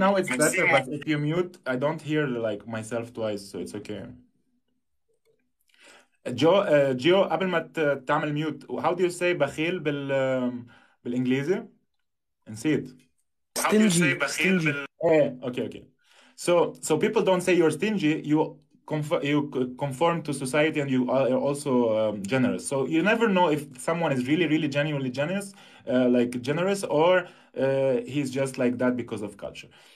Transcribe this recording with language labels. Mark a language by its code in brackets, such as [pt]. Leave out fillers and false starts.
[en] Now it's better, but if you mute, I don't hear like myself twice, so it's okay. [ar] جيو قبل ما تعمل ميوت, [en] how do you say [ar] بخيل بالانجليزي؟ نسيت. [en] Stingy. Okay. So people don't say you're stingy. You conform to society, and you are also generous. So you never know if someone is really, really genuinely generous, like generous, or he's just like that because of culture.